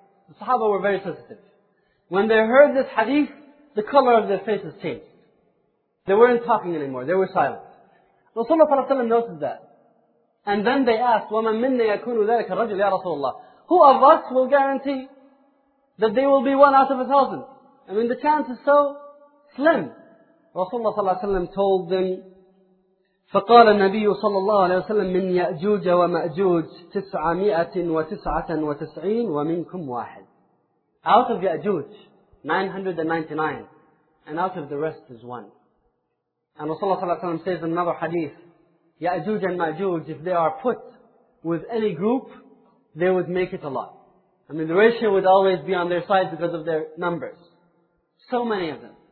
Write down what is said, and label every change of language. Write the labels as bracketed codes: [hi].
[en] The Sahaba were very sensitive. When they heard this hadith, the color of their faces changed. They weren't talking anymore, they were silent. Rasulullah ﷺ noticed that. And then they asked, [ar] وَمَن مِنَّ يَكُونُ ذَلَكَ الرَّجُلِ يَا رَسُولَ اللَّهِ [en] Who of us will guarantee that they will be one out of 1,000? I mean, the chance is so slim. [ar] Rasulullah صلى الله عليه وسلم [en] told them, [ar] فقال النبي صلى الله عليه وسلم من يأجوج ومأجوج 999 ومنكم واحد. [en] Out of يأجوج 999 and out of the rest is one. And Rasulullah صلى الله عليه وسلم says in another hadith, يأجوج and مأجوج, if they are put with any group, they would make it a lot. I mean, the ratio would always be on their side because of their numbers. So many of them.